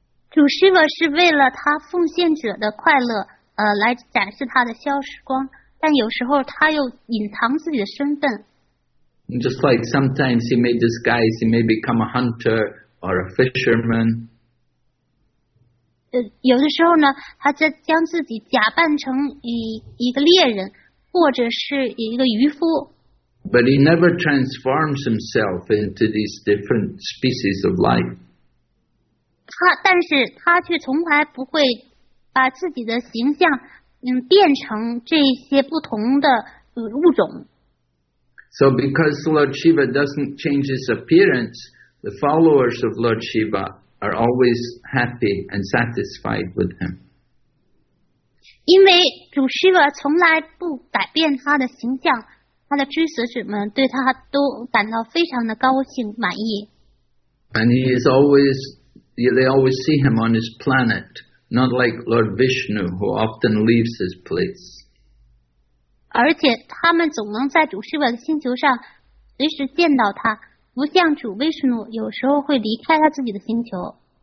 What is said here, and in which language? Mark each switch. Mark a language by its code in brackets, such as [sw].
[zh] 主 Shiva 是为了他奉献者的快乐，来展示他的消失光，但有时候他又隐藏自己的身份。 [en] Just like sometimes he may disguise, he may become a hunter or a fisherman. [zh] 有的时候呢，他在将自己假扮成一个猎人，或者是一个渔夫。 [en] But he never transforms himself into these different species of life. [zh] 但是他却从来不会把自己的形象变成这些不同的物种。 [en] So because Lord Shiva doesn't change his appearance, the followers of Lord Shiva are always happy and satisfied with him. [zh] 因为主 Shiva 从来不改变他的形象，他的追随者们对他都感到非常的高兴满意。 [en] And he is always, they always see him on his planet, not like Lord Vishnu, who often leaves his place. [zh] 而且他们总能在主 Shiva 的星球上随时见到他，不像主 Vishnu 有时候会离开他自己的星球。